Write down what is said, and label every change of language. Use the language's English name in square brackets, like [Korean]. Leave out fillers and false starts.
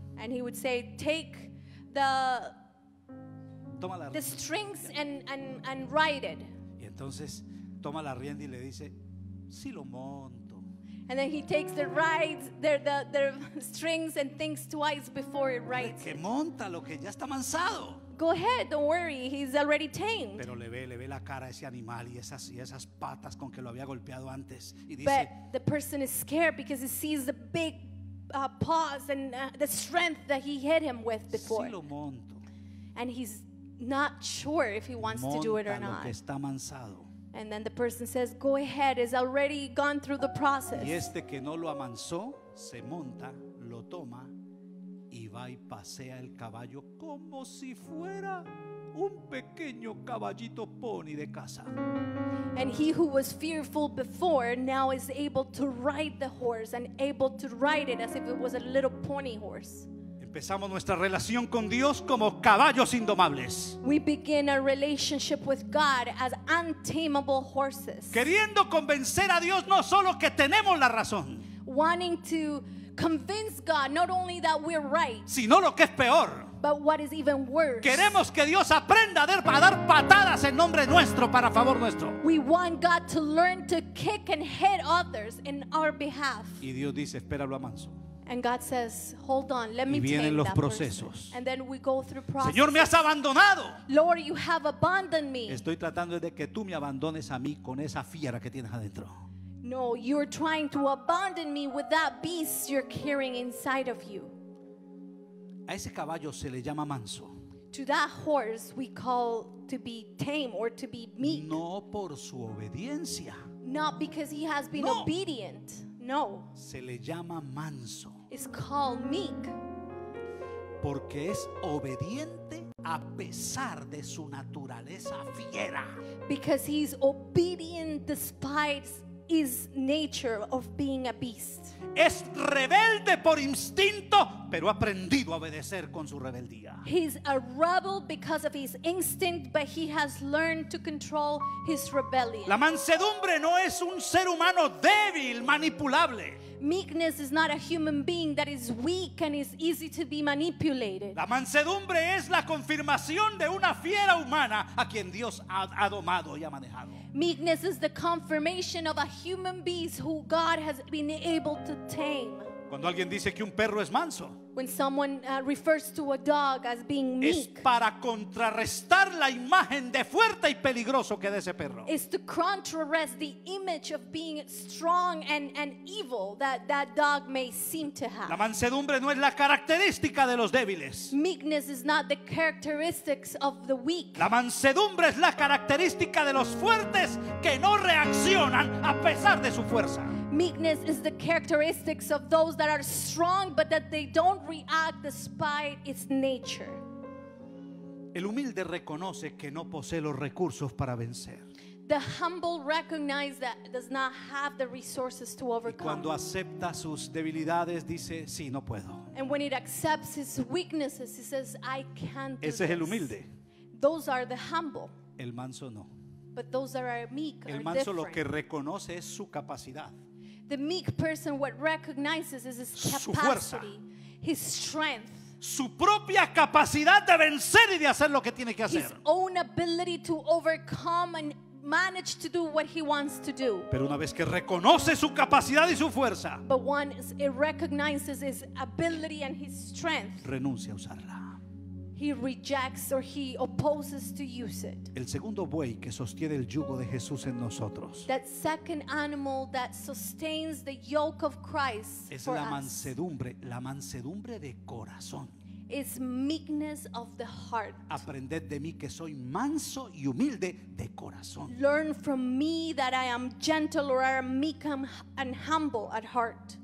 [English] And he would say, take the [Spanish] toma la [English] the strings and ride it. [Spanish] Y entonces toma la rienda y le dice, sí lo monto. [English] And then he takes the rides their strings and thinks twice before it rides. [Spanish] Que monta lo que ya está mansado. [English] Go ahead, don't worry, he's already tamed. [Spanish] Pero le ve la cara a ese animal y esas patas con que lo había golpeado antes y dice, [English] but the person is scared because he sees the big paws and the strength that he hit him with before. [Spanish] Sí lo monto. [English] And he's not sure if he wants [Spanish] monta [English] to do it or not. [Spanish] Lo que está mansado. [English] And then the person says, go ahead, he's already gone through the process. [Spanish] Y este que no lo amansó, se monta, lo toma y va y pasea el caballo como si fuera un pequeño caballito pony de casa. [English] And he who was fearful before now is able to ride the horse and able to ride it as if it was a little pony horse. [Spanish] Empezamos nuestra relación con Dios como caballos indomables. [English] We begin a relationship with God as untamable horses. [Spanish] Queriendo convencer a Dios no solo que tenemos la razón. [English] Wanting to convince God not only that we're right, [Spanish] sino lo que es peor. [English] But what is even worse. [Spanish] Queremos que Dios aprenda a dar patadas en nombre nuestro para favor nuestro. [English] We want God to learn to kick and hit others in our behalf. [Spanish] Y Dios dice, espéralo a manso. [English] And God says, hold on, let me take that. [Spanish] Y vienen los procesos. [English] And then we go through process. [Spanish] Señor, me has abandonado. [English] Lord, you have abandoned me. [Spanish] Estoy tratando de que tú me abandones a mí con esa fiera que tienes adentro. [English] No, you're trying to abandon me with that beast you're carrying inside of you. [Spanish] A ese caballo se le llama manso. [English] To that horse we call to be tame or to be meek. [Spanish] No por su obediencia. [English] Not because he has been [Spanish] no. [English] obedient. No. [Spanish] Se le llama manso. [English] It's called meek. [Spanish] Porque es obediente a pesar de su naturaleza fiera. [English] Because he's obedient despite his nature of being a beast. [Spanish] Es rebelde por instinto, pero ha aprendido a obedecer con su rebeldía. [English] He's a rebel because of his instinct, but he has learned to control his rebellion. [Spanish] La mansedumbre no es un ser humano débil, manipulable. [English] Meekness is not a human being that is weak and is easy to be manipulated. [Spanish] La mansedumbre es la confirmación de una fiera humana a quien Dios ha domado y ha manejado. [English] Meekness is the confirmation of a human beast who God has been able to tame. [Spanish] Cuando alguien dice que un perro es manso, [English] when someone refers to a dog as being meek, [Spanish] es para contrarrestar la imagen de fuerte y peligroso que da ese perro. [English] Is to contrarrest the image of being strong and evil that dog may seem to have. [Spanish] La mansedumbre no es la característica de los débiles. [English] Meekness is not the characteristics of the weak. [Spanish] La mansedumbre es la característica de los fuertes que no reaccionan a pesar de su fuerza. [English] Meekness is the characteristics of those that are strong but that they don't react despite its nature. [Spanish] El humilde reconoce que no posee los recursos para vencer. [English] The humble recognizes that does not have the resources to overcome. [Spanish] Y cuando acepta sus debilidades dice, sí, no puedo. [English] And when it accepts his weaknesses he says, I can't do this. [Spanish] Ese es el humilde. [English] Those are the humble. [Spanish] El manso no. [English] But those that are meek [Spanish] el manso [English] are different. [Spanish] Lo que reconoce es su capacidad. [English] The meek person what recognizes is his capacity, [Spanish] su fuerza, [English] his strength, [Spanish] su propia capacidad de vencer y de hacer lo que tiene que hacer, [English] his own ability to overcome and manage to do what he wants to do. [Spanish] Pero una vez que reconoce su capacidad y su fuerza, [English] but once it recognizes his ability and his strength, [Spanish] renuncia a usarla. [English] He rejects or he opposes to use it. [Spanish] El segundo buey que sostiene el yugo de Jesús en nosotros. [English] That second animal that sustains the yoke of Christ [Spanish] es [English] for [Spanish] la mansedumbre, [English] us. [Spanish] La mansedumbre de corazón. [English] Is meekness of the heart. [Spanish] Aprended de mí que soy manso y humilde de corazón. [English] Learn from me that I am gentle or I am meek and humble at heart.